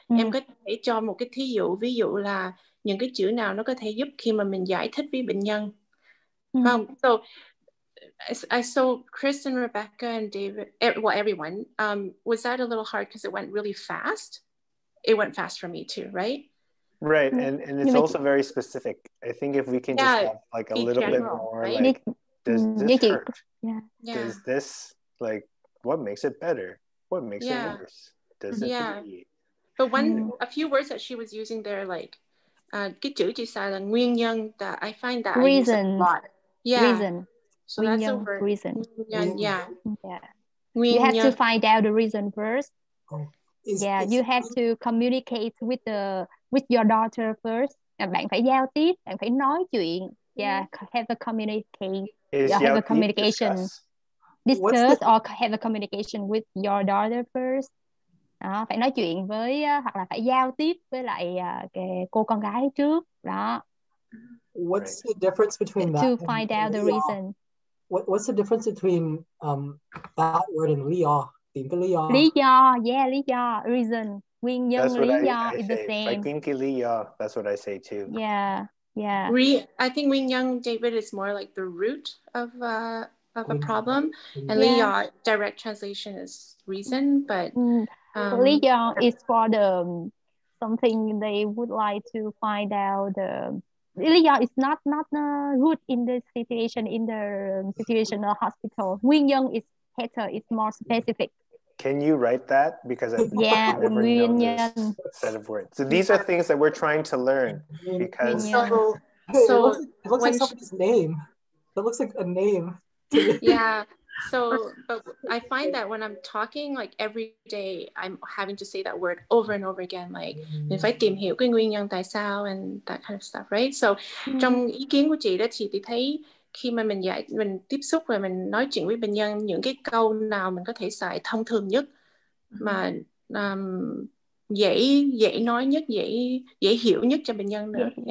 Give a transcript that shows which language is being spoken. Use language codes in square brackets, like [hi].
[vi] Em có thể cho một cái thí dụ, ví dụ là những cái chữ nào nó có thể giúp khi mà mình giải thích với bệnh nhân, không? [en] So I saw Chris and Rebecca and David, well, everyone. Was that a little hard because it went really fast? It went fast for me too, right? Right, and it's also very specific. I think if we can just have like a little general, bit more, right? Like, does this hurt? Yeah. Does this, like, what makes it better? What makes it worse? Does it create? But one, a few words that she was using there, like, [vi] cái chữ chị xài là nguyên nhân, [en] that I find that reason. I use a lot. Yeah. Reason. So that's a word. Reason. Yeah. You have to find out the reason first. You have to communicate with your daughter first. [vi] Bạn phải giao tiếp, bạn phải nói chuyện. [en] Have a communication. Discuss or have a communication with your daughter first. [vi] Đó, phải nói chuyện với hoặc là phải giao tiếp với lại cái cô con gái trước. Đó. [en] What's the difference between that? To find out the reason. What's the difference between that word and lý do? [vi] Tìm cái lý do. Lý do, yeah, lý do, reason, nguyên nhân, lý do [en] is the same. I think cái lý do, that's what I say too. Yeah. I think nguyên nhân, David, is more like the root of a problem, and lý do, direct translation is reason, but lý do is for the something they would like to find out the. Ilya is not good in the situation, in the situation of hospital. Nguyên nhân is better, it's more specific. Can you write that? Because I've never known this set of words. So these are things that we're trying to learn. Because So it looks like somebody's name. It looks like a name. Yeah. So, but I find that when I'm talking, like every day, I'm having to say that word over and over again, like invite him here, [vi] nguyên nhân tại sao, [en] and that kind of stuff, right? [vi] So, trong ý kiến của chị đó, chị thì thấy khi mà mình dạy, mình tiếp xúc và mình nói chuyện với bệnh nhân, những cái câu nào mình có thể xài thông thường nhất, mà dễ nói nhất, dễ hiểu nhất cho bệnh nhân nữa.